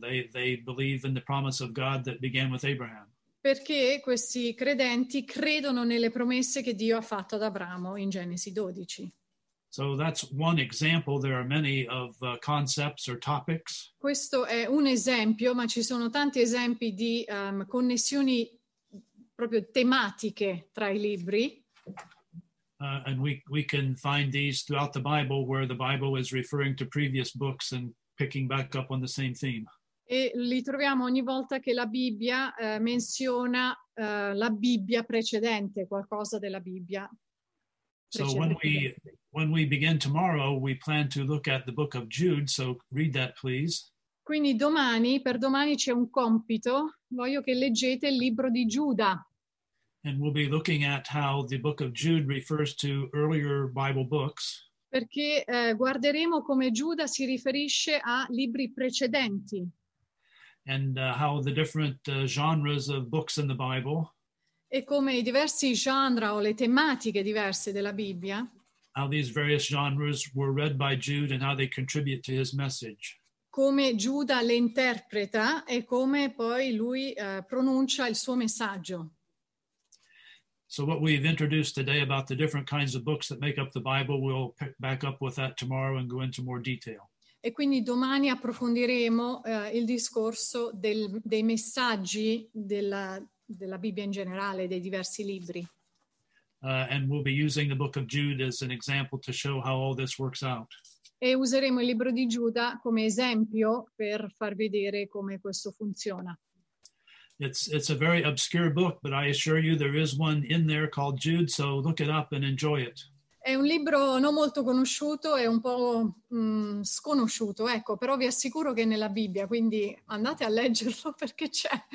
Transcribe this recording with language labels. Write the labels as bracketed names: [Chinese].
[English] They believe in the promise of God that began with Abraham. [Italian] Perché questi credenti credono nelle promesse che Dio ha fatto ad Abramo in Genesi 12. [English] So that's one example. There are many of concepts or topics. [Italian] Questo è un esempio, ma ci sono tanti esempi di connessioni proprio tematiche tra I libri. [English] And we can find these throughout the Bible, where the Bible is referring to previous books and picking back up on the same theme. [Italian] E li troviamo ogni volta che la Bibbia menziona la Bibbia precedente, qualcosa della Bibbia. [English] So when we begin tomorrow, we plan to look at the book of Jude. So read that, please. [Italian] Quindi per domani c'è un compito. Voglio che leggete il libro di Giuda. [English] And we'll be looking at how the book of Jude refers to earlier Bible books. [Italian] Perché guarderemo come Giuda si riferisce a libri precedenti. [English] And how the different genres of books in the Bible. [Italian] E come I diversi genre o le tematiche diverse della Bibbia. [English] How these various genres were read by Jude and how they contribute to his message. [Italian] Come Giuda le interpreta e come poi lui pronuncia il suo messaggio. [English] So what we've introduced today about the different kinds of books that make up the Bible, we'll pick back up with that tomorrow and go into more detail. [Italian] e quindi domani approfondiremo il discorso dei messaggi della Bibbia in generale, dei diversi libri. [English] And we'll be using the book of Jude as an example to show how all this works out. [Italian] E useremo il libro di Giuda come esempio per far vedere come questo funziona. [English] It's a very obscure book, but I assure you there is one in there called Jude, so look it up and enjoy it. [Italian] È un libro non molto conosciuto, è un po' sconosciuto, ecco, però vi assicuro che è nella Bibbia, quindi andate a leggerlo perché c'è.